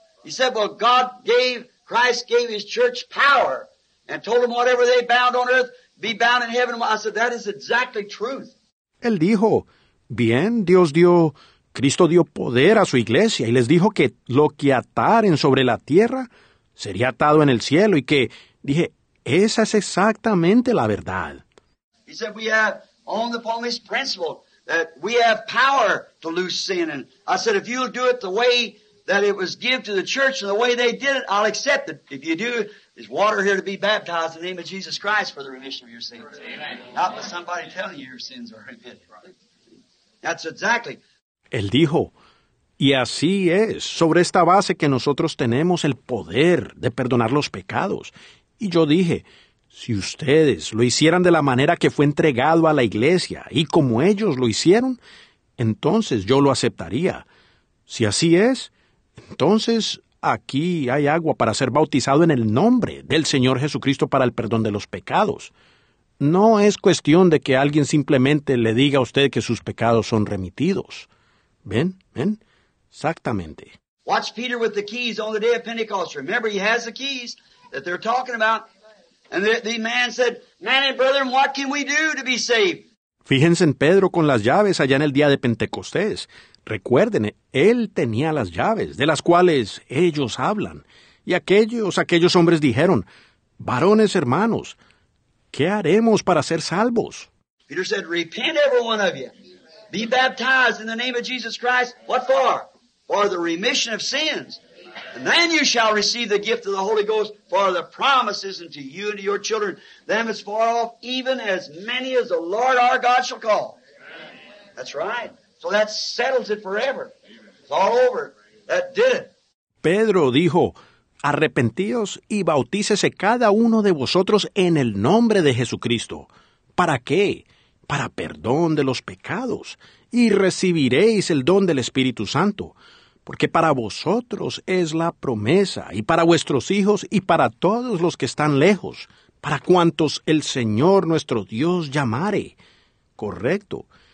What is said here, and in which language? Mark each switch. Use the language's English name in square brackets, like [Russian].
[English] He said, well, Christ gave his church power. And told them whatever they bound on earth, be bound in heaven. I said, that is exactly truth. [Spanish] Él dijo, bien, Cristo dio poder a su iglesia. Y les dijo que lo que ataren sobre la tierra, sería atado en el cielo. Y que, dije, esa es exactamente la verdad. [English] He said, we have on the Pauline's principle, that we have power to loose sin. And I said, if you'll do it the way that it was given to the church and the way they did it, I'll accept it. If you do, there's water here to be baptized in the name of Jesus Christ for the remission of your sins. Amen. Not by somebody telling you your sins are remitted. That's exactly. [Spanish] Él dijo, y así es, sobre esta base que nosotros tenemos el poder de perdonar los pecados. Y yo dije, si ustedes lo hicieran de la manera que fue entregado a la iglesia y como ellos lo hicieron, entonces yo lo aceptaría. Si así es, entonces aquí hay agua para ser bautizado en el nombre del Señor Jesucristo para el perdón de los pecados. No es cuestión de que alguien simplemente le diga a usted que sus pecados son remitidos. ¿Ven? ¿Ven? Exactamente. [English] Watch Peter with the keys on the day of Pentecost. Remember, he has the keys that they're talking about. And the man said, man and brethren, what can we do to be saved? [Spanish] Fíjense en Pedro con las llaves allá en el día de Pentecostés. Recuerden, él tenía las llaves de las cuales ellos hablan. Y aquellos hombres dijeron, varones hermanos, ¿qué haremos para ser salvos? [English] Peter said, repent every one of you. Be baptized in the name of Jesus Christ. What for? For the remission of sins. And then you shall receive the gift of the Holy Ghost, for the promises unto you and to your children, them as far off, even as many as the Lord our God shall call. Amen. That's right. So that settles it forever. It's all over. That did it. [Spanish] Pedro dijo, arrepentíos y bautícese cada uno de vosotros en el nombre de Jesucristo. ¿Para qué? Para perdón de los pecados, y recibiréis el don del Espíritu Santo, porque para vosotros es la promesa, y para vuestros hijos, y para todos los que están lejos, para cuantos el Señor nuestro Dios llamare. Correcto.